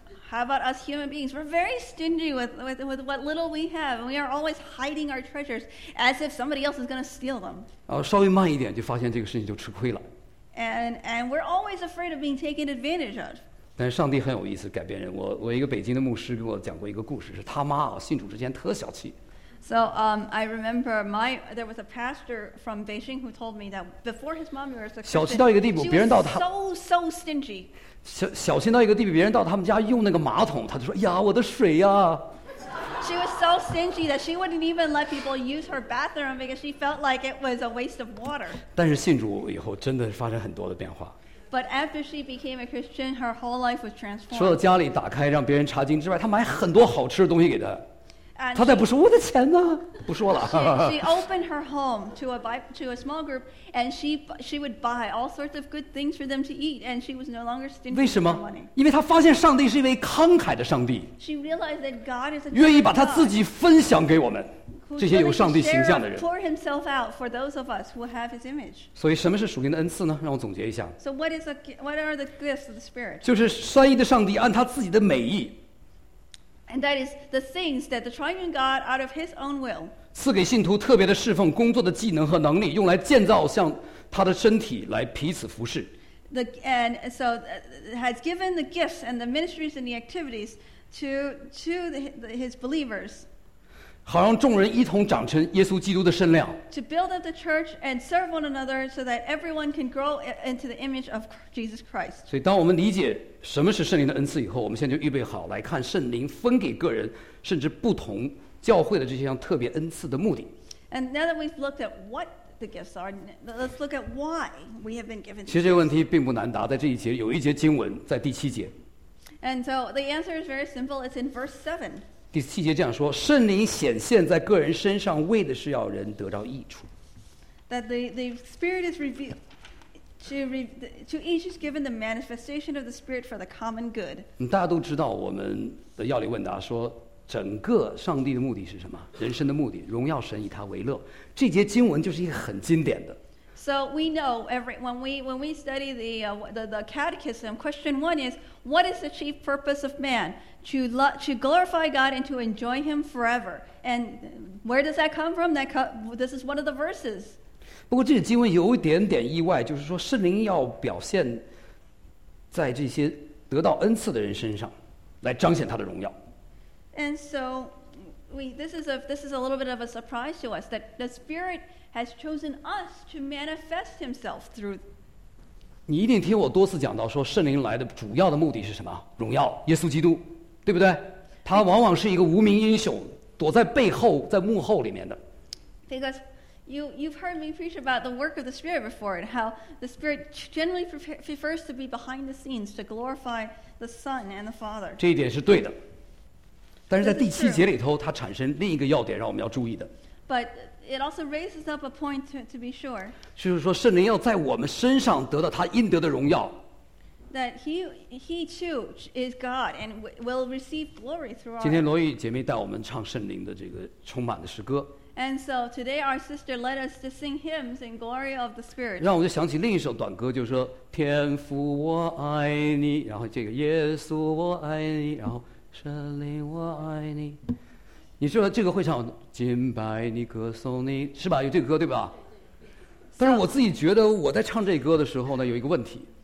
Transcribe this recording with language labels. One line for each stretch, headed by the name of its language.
English: How about us human beings? We're very stingy with what little we have, and we are always hiding our treasures as if somebody else is going to steal them.
Chinese: 稍微慢一点，就发现这个事情就吃亏了。
English: And we're always afraid of being taken advantage of.
Chinese: 但是上帝很有意思，改变人。我一个北京的牧师给我讲过一个故事，是他妈信主之前特小气。
English: So I remember there was a pastor from Beijing who told me that before his mom was a Christian,
Chinese: 小气到一个地步，别人到他
English: so stingy.
Chinese: 小心到一个地步，别人到他们家用那个马桶，他就说：“呀，我的水呀。”
English: She was so stingy that she wouldn't even let people use her bathroom because she felt like it was a waste of water.
Chinese: 但是信主以后，真的发生很多的变化。
English: But after she became a Christian, her whole life was transformed.
Chinese: 除了家里打开让别人查经之外，她买很多好吃的东西给他。他再不说我的钱呢，不说了。
English: She opened her home to a small group, and she would buy all sorts of good things for them to eat, and she was no longer stingy.
Chinese: 为什么？因为她发现上帝是一位慷慨的上帝。
English: She realized that God is a
Chinese: 愿意把他自己分享给我们这些有上帝形象的人。
English: Pour himself out for those of us who have His image.
Chinese: 所以什么是属灵的恩赐呢？让我总结一下。
English: So what are the gifts of the Spirit?
Chinese: 就是三一的上帝按他自己的美意。
English: And that is the things that the Triune God, out of His own will,
Chinese: 赐给信徒特别的侍奉、工作的技能和能力，用来建造像他的身体，来彼此服侍。
English: And so has given the gifts and the ministries and the activities to His believers.
Chinese: 好让众人一同长成耶稣基督的身量。
English: To build up the church and serve one another, so that everyone can grow into the image of Jesus Christ.
Chinese: 所以，当我们理解什么是圣灵的恩赐以后，我们现在就预备好来看圣灵分给个人甚至不同教会的这些项特别恩赐的目的。
English: And now that we've looked at what the gifts are, let's look at why we have been given.
Chinese: 其实这个问题并不难答，在这一节有一节经文在第七节。
English: And so the answer is very simple. It's in verse 7.
Chinese: 第七节这样说：圣灵显现在个人身上，为的是要人得到益处。
English: That the Spirit is revealed. To each is given the manifestation of the Spirit for the common good.
Chinese: 大家都知道我们的要理问答说，整个上帝的目的是什么？人生的目的，荣耀神，以他为乐。这节经文就是一个很经典的。
English: So we know when we study the catechism, question one is, what is the chief purpose of man? To glorify God and to enjoy Him forever. And where does that come from? This is one of the verses.
Chinese: 不过这个经文有一点点意外，就是说圣灵要表现在这些得到恩赐的人身上，来彰显他的荣耀。
English: And so, this is a little bit of a surprise to us that the Spirit has chosen us to manifest Himself through.
Chinese: 你一定听我多次讲到说圣灵来的主要的目的是什么？荣耀耶稣基督，对不对？他往往是一个无名英雄，躲在背后，在幕后里面的。
English: Because. You've heard me preach about the work of the Spirit before, and how the Spirit generally prefers to be behind the scenes to glorify the Son and the Father.
Chinese: 这一点是对的，但是在第七节里头，它产生另一个要点，让我们要注意的。
English: But it also raises up a point to be sure.
Chinese: 就是说，圣灵要在我们身上得到他应得的荣耀。
English: That he too is God and will receive glory through.
Chinese: 今天罗玉姐妹带我们唱圣灵的这个充满的诗歌。
English: And so today our sister led us to sing hymns in glory of the Spirit.
Chinese: 让我就想起另一首短歌，就是说天父我爱你，然后这个耶稣我爱你，然后圣灵我爱你。你说这个会唱金白你歌颂你是吧，有这个歌对吧，但是我自己觉得我在唱这歌的时候呢有一个问题。